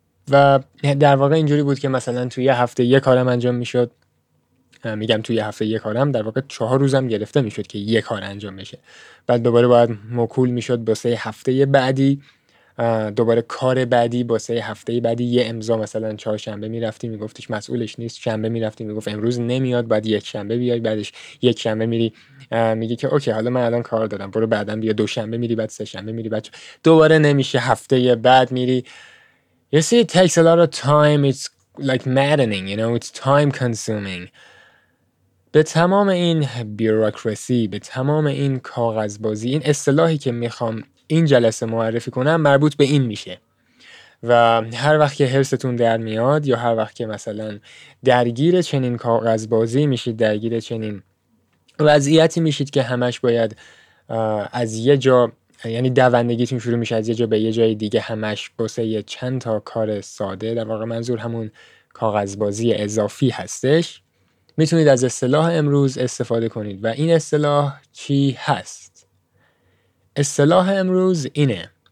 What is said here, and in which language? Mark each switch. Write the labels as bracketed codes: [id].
[fa] و در واقع اینجوری بود که مثلا توی یه هفته یه کارم انجام میشد، میگم توی هفته یک کارم، در واقع 4 روزم گرفته میشد که یک کار انجام بشه، بعد دوباره باید موکول میشد واسه هفته بعدی، دوباره کار بعدی واسه هفته بعدی، یه امضا مثلا چهارشنبه میرفتی میگفتش مسئولش نیست، شنبه میرفتی میگفت امروز نمیاد، بعد یک شنبه بیای، بعدش یک شنبه میری میگه که اوکی حالا من الان کار دادم، برو بعدا بیا، دوشنبه میری، بعد سه شنبه میری، بعد دوباره نمیشه، هفته بعد میری. [en] You see, it takes a lot of time. It's like maddening, you know, it's time consuming. [fa] به تمام این بیوروکراسی، به تمام این کاغذبازی، این اصطلاحی که میخوام این جلسه معرفی کنم مربوط به این میشه. و هر وقت که هرستون در میاد یا هر وقت که مثلا درگیر چنین کاغذبازی میشید، درگیر چنین وضعیتی میشید که همش باید از یه جا، یعنی دوندگیتون شروع میشه از یه جا به یه جای دیگه، همش بسه یه چند تا کار ساده، در واقع منظور همون کاغذبازی اضافی هستش، میتونید از اصطلاح امروز استفاده کنید. و این اصطلاح چی هست؟ اصطلاح امروز اینه.